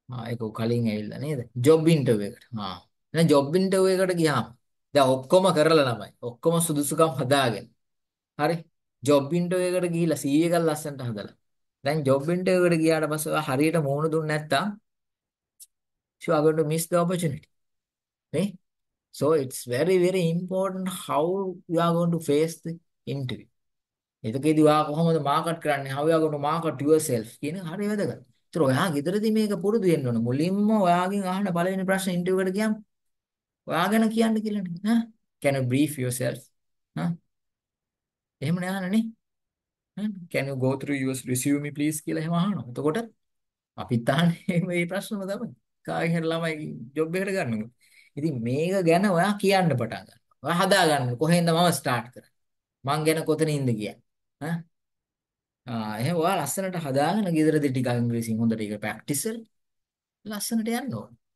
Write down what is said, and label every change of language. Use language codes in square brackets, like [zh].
[si] ඒක කලින් ඇවිල්ලා නේද? ජොබ් ඉන්ටර්වයුව එකට. නේද ජොබ් ඉන්ටර්වයුව එකට ගියාම දැන් ඔක්කොම කරලා ළමයි. ඔක්කොම සුදුසුකම් හදාගෙන. හරි. ජොබ් ඉන්ටර්වයුව එකට ගිහිල්ලා CV එකක් ලස්සනට හදලා. දැන් ජොබ් ඉන්ටර්වයුව එකට ගියාට පස්සේ ඔයා හරියට මුණ දුන්නේ නැත්තම් [en] you are going to miss the opportunity. [si] නේ? [en] So it's very very important how you are going to face the interview. [si] එතකෙදි ඔයා කොහොමද මාකට් කරන්නේ? [en] How you are going to market yourself [si] කියන හරිය වැදගත්. ඒතර ඔයා ගෙදරදී මේක පුරුදු වෙන්න ඕන. මුලින්ම ඔයාගෙන් අහන පළවෙනි ප්‍රශ්න interview එකට ගියම් ඔයා ගැන කියන්න කියලා නේද? [en] Huh? Can you brief yourself? Huh? [si] එහෙම නේ අහන්නේ. [en] Can you go through your resume please [si] කියලා එහෙම අහනවා. එතකොට අපිත් අහන්නේ මේ ප්‍රශ්නම තමයි. කාගෙන් හරි ළමයි job එකට ගන්නකොට. ඉතින් මේක ගැන ඔයා කියන්න පටන් ගන්න. ඔයා හදා ගන්න කොහෙන්ද මම ස්ටාර්ට් කරන්නේ? මං ගැන කොතනින්ද කියන්නේ? ඈ එහේ ඔයා ලස්සනට හදාගෙන ගෙදරදී ටිකක් ඉංග්‍රීසි හොඳට ඒක ප්‍රැක්ටිස් කර ලස්සනට යන්න ඕන.